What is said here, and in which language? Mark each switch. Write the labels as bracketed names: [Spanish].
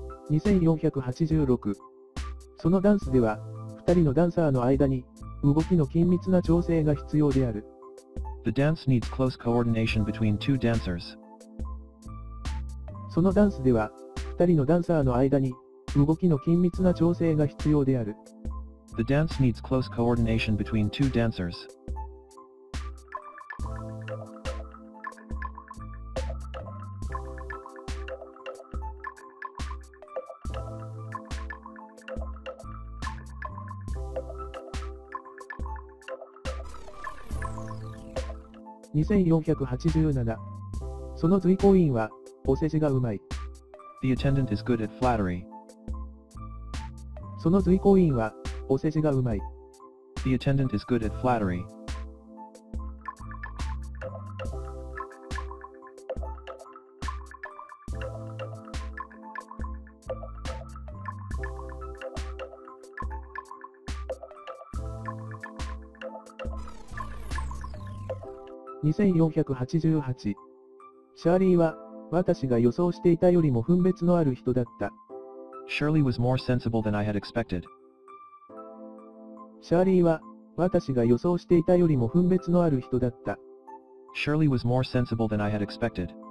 [Japanese] 2486。そのダンスでは、二人のダンサーの間に、動きの緊密な調整が必要である。 [English] The dance needs close coordination between two dancers. [Japanese] そのダンスでは、二人のダンサーの間に、動きの緊密な調整が必要である。 [English] The dance needs close coordination between two dancers. [Japanese] 2487。その随行員は、お世辞がうまい。 [English] The attendant is good at flattery. [Japanese] その随行員は、お世辞がうまい。 [English] The attendant is good at flattery. [Japanese] 2488。シャーリーは、私が予想していたよりも分別のある人だった。 [English] Shirley was more sensible than I had expected. [Japanese] シャーリーは、私が予想していたよりも分別のある人だった。 [English] Shirley was more sensible than I had expected.